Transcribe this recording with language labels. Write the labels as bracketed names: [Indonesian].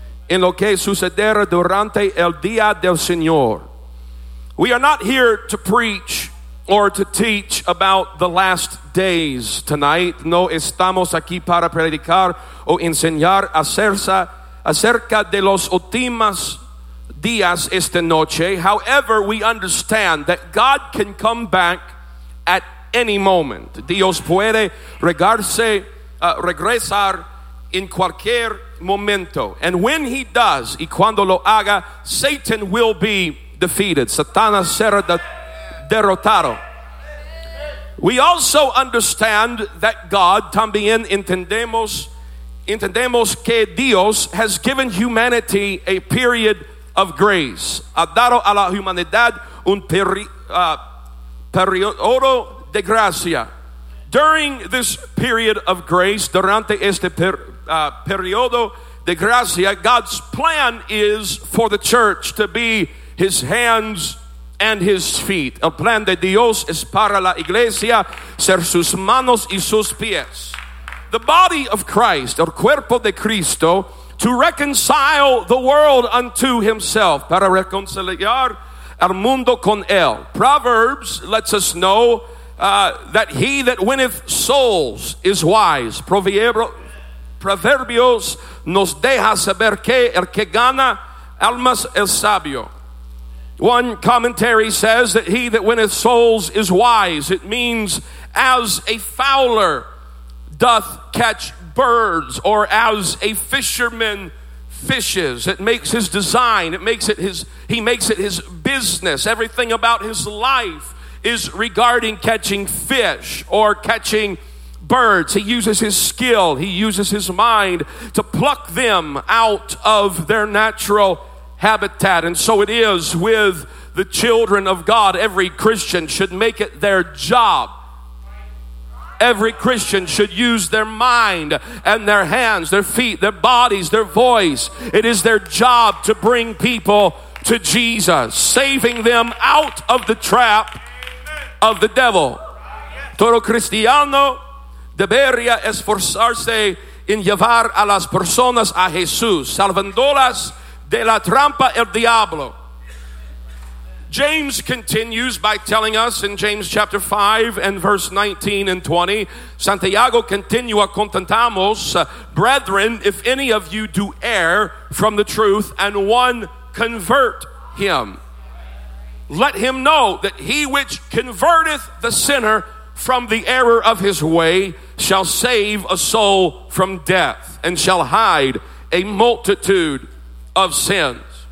[Spanish] En lo que sucederá durante el día del Señor. [English] We are not here to preach or to teach about the last days tonight. [Spanish] No estamos aquí para predicar o enseñar acerca de los últimos días esta noche. [English] However, we understand that God can come back at any moment. [Spanish] Dios puede regresar en cualquier momento. [English] And when he does, [Spanish] y cuando lo haga, [English] Satan will be defeated. [Spanish] Satanás será derrotado. [English] We also understand that God, [Spanish] también entendemos que Dios [English] has given humanity a period of grace. [Spanish] Ha dado a la humanidad un periodo de gracia. [English] During this period of grace, [Spanish] durante este periodo de gracia, [English] God's plan is for the church to be his hands and his feet. [Spanish] El plan de Dios es para la iglesia ser sus manos y sus pies. [English] The body of Christ, [Spanish] el cuerpo de Cristo, [English] to reconcile the world unto himself, [Spanish] para reconciliar al mundo con él. [English] Proverbs lets us know that he that winneth souls is wise. [Spanish] Proverbios nos deja saber que el que gana almas es sabio. [English] One commentary says that he that winneth souls is wise. It means as a fowler doth catch birds, or as a fisherman fishes. It makes his design, he makes it his business. Everything about his life is regarding catching fish or catching birds. He uses his skill, he uses his mind to pluck them out of their natural habitat. And so it is with the children of God. Every Christian should make it their job. Every Christian should use their mind and their hands, their feet, their bodies, their voice. It is their job to bring people to Jesus, saving them out of the trap of the devil. [Spanish] Todo cristiano debería esforzarse en llevar a las personas a Jesús, salvándolas de la trampa el diablo. [English] James continues by telling us in James chapter 5 and verse 19 and 20, [Spanish] Santiago continua contentamos, [English] brethren, if any of you do err from the truth and one convert him, let him know that he which converteth the sinner from the error of his way shall save a soul from death and shall hide a multitude of sins.